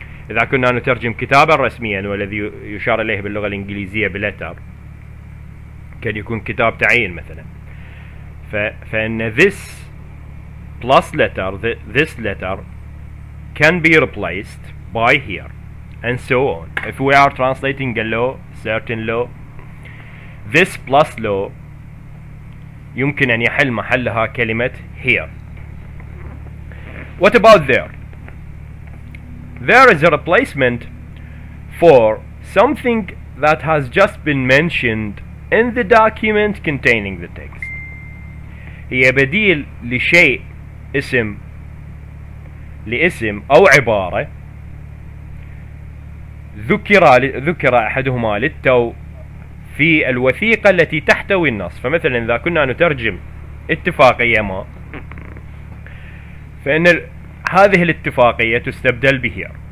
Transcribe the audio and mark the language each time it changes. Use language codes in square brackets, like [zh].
[ar] إذا كنا نترجم كتابا رسميا والذي يشار إليه باللغة الإنجليزية بلتر, كان يكون كتاب تعيين مثلا, فإن [en] this plus letter, this letter can be replaced by here and so on. If we are translating a law, certain law, this plus law [ar] يمكن أن يحل محلها كلمة [en] here. What about there? There is a replacement for something that has just been mentioned in the document containing the text. [ar] هي بديل لشيء, اسم, لاسم أو عبارة ذكر أحدهما للتو في الوثيقة التي تحتوي النص. فمثلا إذا كنا نترجم اتفاقية ما, فإن هذه الاتفاقية تستبدل به.